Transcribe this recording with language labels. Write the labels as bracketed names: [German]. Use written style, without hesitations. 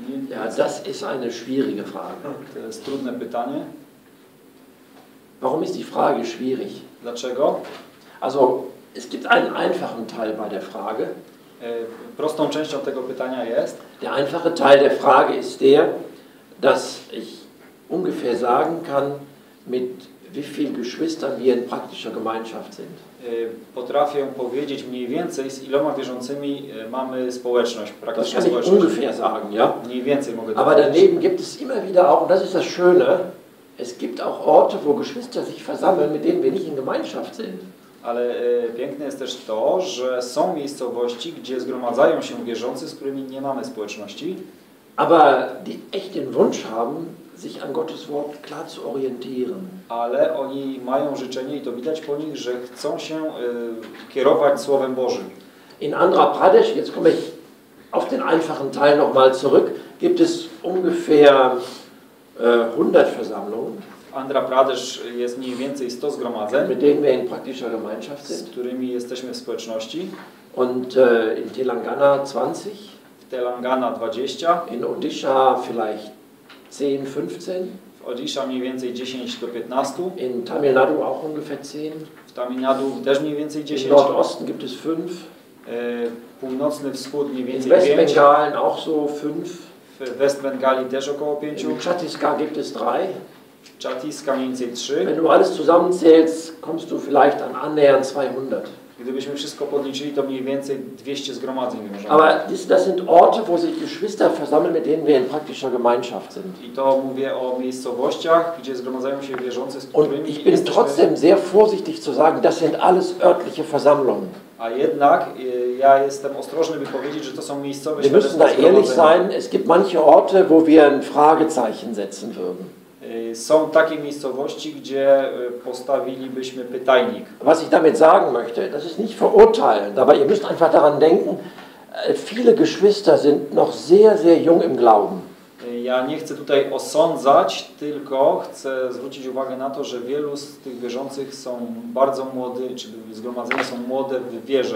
[German] Ja, das ist eine schwierige Frage. [Polish] To jest trudne pytanie. [German] Warum ist die Frage schwierig? [Polish] Dlaczego? [German] Also, es gibt einen einfachen Teil bei der Frage. [Polish] Prostą częścią tego pytania jest. [German] Der einfache Teil der Frage ist der, dass ich ungefähr sagen kann, mit wie vielen Geschwistern wir in praktischer Gemeinschaft sind. [Polish] Potrafię powiedzieć mniej więcej, z iloma wierzącymi mamy społeczność, praktyczną społeczność. [German] Ungefähr sagen, ja? [Polish] Mniej więcej mogę [German] Aber daneben [Polish] powiedzieć. [German] Gibt es immer wieder auch, und das ist das Schöne, es gibt auch Orte, wo Geschwister sich versammeln, mit denen wir nicht in Gemeinschaft sind. [Polish] Ale piękne jest też to, że są miejscowości, gdzie zgromadzają się wierzący, z którymi nie mamy społeczności. [German] Aber die echt den Wunsch haben, sich an Gottes Wort klar zu orientieren. [Polish] Ale oni mają życzenie i to widać po nich, że chcą się kierować Słowem Bożym. [German] In Andhra Pradesh, jetzt komme ich auf den einfachen Teil nochmal zurück, gibt es ungefähr 100 Versammlungen. [Polish] Andhra Pradesh jest mniej więcej 100 zgromadzeń, [German] mit denen wir in praktischer Gemeinschaft sind. [Polish] Z którymi jesteśmy w społeczności. [German] Und in Telangana 20. [Polish] W Telangana 20. [German] In Odisha vielleicht 10-15. [Polish] W Odisha mniej więcej 10-15. [German] In Tamil Nadu auch ungefähr 10. [Polish] W Tamil Nadu też mniej więcej 10. [German] In Nordosten gibt es 5. [Polish] Północny wschód mniej więcej [German] 5. In West Bengalen auch so 5. [Polish] W West Bengali też około 5. [German] In Chhattisgarh gibt es 3. [Polish] Chhattisgarh mniej więcej 3. [German] Wenn du alles zusammenzählst, kommst du vielleicht an annähernd 200. [Polish] Gdybyśmy wszystko podliczyli, to mniej więcej 200 zgromadzeń możemy. [German] Aber das sind Orte, wo sich Geschwister versammeln, mit denen wir in praktischer Gemeinschaft sind. [Polish] I to mówię o miejscowościach, gdzie zgromadzają się wierzący, z którymi jesteśmy. [German] Und ich bin trotzdem sehr vorsichtig zu sagen, das sind alles örtliche Versammlungen. [Polish] A jednak ja jestem ostrożny, by powiedzieć, że to są miejscowe zgromadzenia. [German] Wir müssen da ehrlich sein, es gibt manche Orte, wo wir ein Fragezeichen setzen würden. [Polish] Są takie miejscowości, gdzie postawilibyśmy pytajnik. [German] Was ich damit sagen möchte, das ist nicht verurteilend, aber ihr müsst einfach daran denken, viele Geschwister sind noch sehr, sehr jung im Glauben. [Polish] Ja nie chcę tutaj osądzać, tylko chcę zwrócić uwagę na to, że wielu z tych wierzących są bardzo młody, czy zgromadzenia są młode w wierze.